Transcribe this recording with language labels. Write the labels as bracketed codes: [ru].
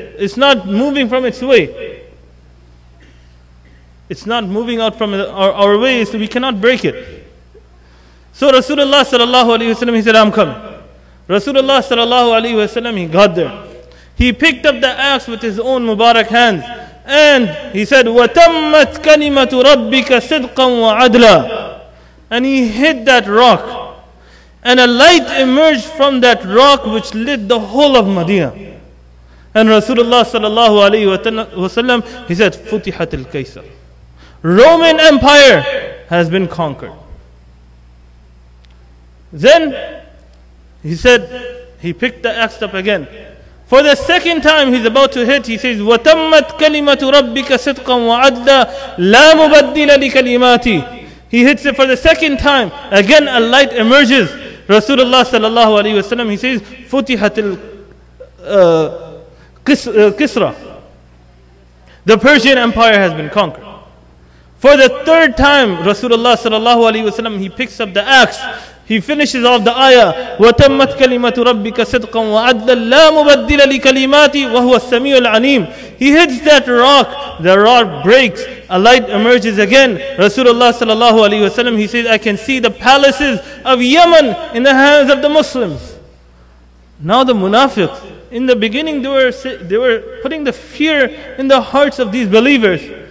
[en] It's not moving from its way. It's not moving out from our way, so we cannot break it. So Rasulullah sallallahu alayhi wa sallam, he said, I'm coming. Rasulullah sallallahu alayhi wa sallam, he got there. He picked up the axe with his own Mubarak hands. And he said, [ar] وَتَمَّتْ كَلِمَةُ رَبِّكَ صِدْقًا وَعَدْلًا. [en] And he hit that rock. And a light emerged from that rock which lit the whole of Madinah. And Rasulullah sallallahu alayhi wa sallam, he said, [ar] فُتِحَتِ الْكَيْسَرِ. [en] Roman Empire has been conquered. Then he said, he picked the axe up again. For the second time he's about to hit, he says, [ar] وَتَمَّتْ كَلِمَةُ رَبِّكَ صِدْقًا وَعَدْلًا لَا مُبَدِّلَ لِكَلِمَاتِ. [en] He hits it for the second time. Again a light emerges. Rasulullah sallallahu alayhi wa sallam, he says, [ar] فُتِحَتِ الْكِسْرَ. [en] The Persian Empire has been conquered. For the third time, Rasulullah sallallahu alayhi wa sallam, he picks up the axe. He finishes off the ayah, [ar] وَتَمَّتْ كَلِمَةُ رَبِّكَ صِدْقًا وَعَدْلًا لَا مُبَدِّلَ لِكَلِمَاتِ وَهُوَ السَّمِيعُ الْعَلِيمُ. [en] He hits that rock, the rock breaks, a light emerges again. Rasulullah sallallahu alayhi wa sallam, he says, I can see the palaces of Yemen in the hands of the Muslims. Now the munafiqs, in the beginning they were putting the fear in the hearts of these believers.